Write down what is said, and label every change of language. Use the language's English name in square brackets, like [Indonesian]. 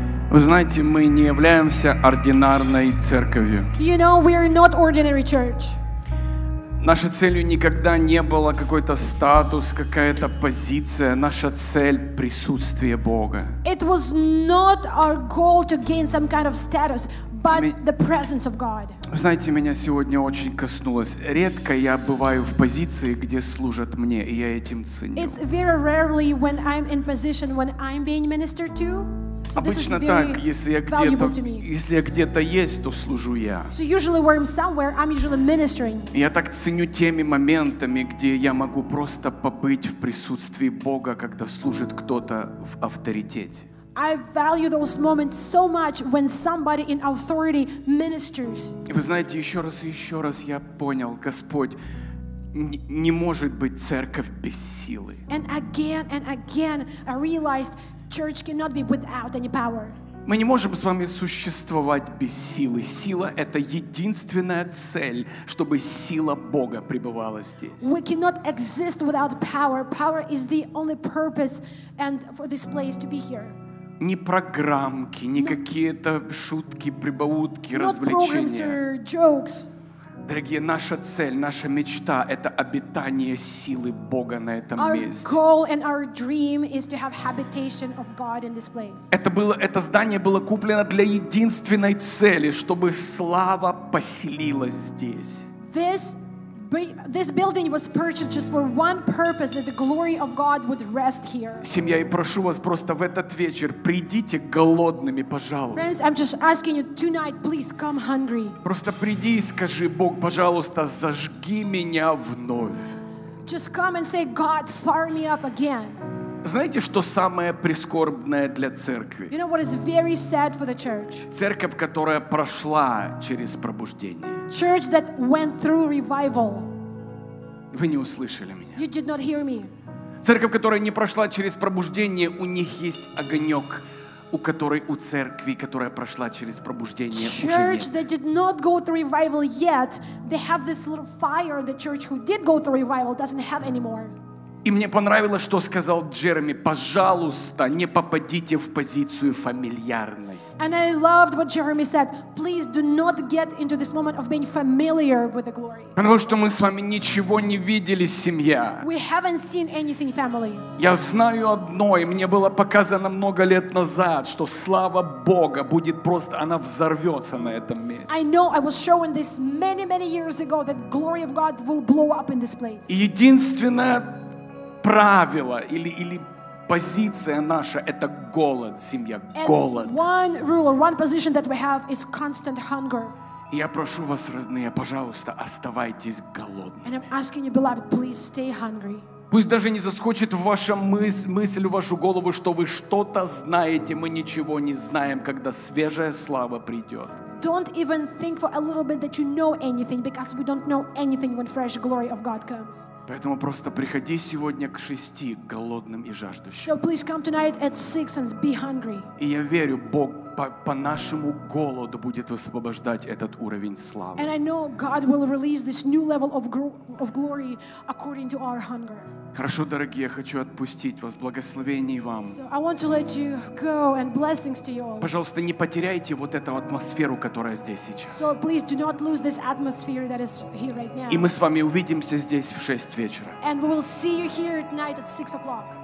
[Russian] Вы знаете, мы не являемся ординарной церковью. [English] You know, we are not ordinary church. [Russian] Нашей целью никогда не было какой-то статус, какая-то позиция. Наша цель — присутствие Бога. [English] It was not our goal to gain some kind of status, but the presence of God. [Russian] Знаете, меня сегодня очень коснулось. Редко я бываю в позиции, где служат мне, и я этим ценю. [English] It's very rarely when I'm in position when I'm being ministered to. [Russian] So обычно так, если я где-то есть, то служу я. [English] So usually where I'm somewhere, I'm usually ministering. [Russian] Я так ценю теми моментами, где я могу просто побыть в присутствии Бога, когда служит кто-то в авторитете. [English] I value those moments so much when somebody in authority ministers. [Russian] Вы знаете, еще раз я понял, Господь, не может быть церковь без силы. [English] And again, I realized church cannot be without any power. [Russian] Мы не можем с вами существовать без силы. Сила — это единственная цель, чтобы сила Бога пребывала здесь. [English] We cannot exist without power. Power is the only purpose and for this place to be here. [Russian] Ни программки, ни какие-то шутки, прибаутки, развлечения. Дорогие, наша цель, наша мечта — это обитание силы Бога на этом месте. [English] Our goal and our dream is to have habitation of God in this place. [Russian] Это здание было куплено для единственной цели, чтобы слава поселилась здесь. [English] This building was purchased just for one purpose, that the glory of God would rest here. [Russian] Семья, я прошу вас просто в этот вечер придите голодными, пожалуйста. [English] Friends, I'm just asking you tonight, please come hungry. [Russian] Просто приди и скажи: Бог, пожалуйста, зажги меня вновь. [English] Just come and say, God, fire me up again. [Russian] Знаете, что самое прискорбное для церкви? [English] You know what is very sad for the church? [Russian] Церковь, которая прошла через пробуждение. [English] Church that went through revival. [Russian] Вы не услышали меня. [English] You did not hear me. [Russian] Церковь, которая не прошла через пробуждение, у них есть огонек, у которой у церкви, которая прошла через пробуждение, уже нет. [English] Church that did not go through revival yet, they have this little fire. The church who did go through revival doesn't have anymore. [Russian] И мне понравилось, что сказал Джереми: пожалуйста, не попадите в позицию фамильярности. [English] And I loved what Jeremy said. Please do not get into this moment of being familiar with the glory. [Russian] Потому что мы с вами ничего не видели, семья. [English] We haven't seen anything, family. [Russian] Я знаю одно, и мне было показано много лет назад, что слава Бога будет просто, она взорвется на этом месте. [English] I know, I was shown this many, many years ago, that glory of God will blow up in this place. [Russian] Единственное правило или позиция наша — это голод, семья, голод. [English] And one rule or one position that we have is constant hunger. [Russian] И я прошу вас, родные, пожалуйста, оставайтесь голодными. [English] And I'm asking you, beloved, please stay hungry. [Russian] Пусть даже не заскочит в вашу мысль, в вашу голову, что вы что-то знаете. Мы ничего не знаем, когда свежая слава придет. [English] Don't even think for a little bit that you know anything, because we don't know anything when fresh glory of God comes. [Russian] Поэтому просто приходи сегодня к шести голодным и жаждущим. [English] So please come tonight at 6 and be hungry. [Russian] И я верю, Бог по нашему голоду будет высвобождать этот уровень славы. [English] And I know God will release this new level of glory according to our hunger. [Russian] Хорошо, дорогие, я хочу отпустить вас. Благословений вам. [English] So I want to let you go and blessings to you all. [Russian] Пожалуйста, не потеряйте вот эту атмосферу, которая здесь сейчас. [English] So please do not lose this atmosphere that is here right now. [Russian] И мы с вами увидимся здесь в 6 вечера. [English] And we will see you here tonight at 6 o'clock.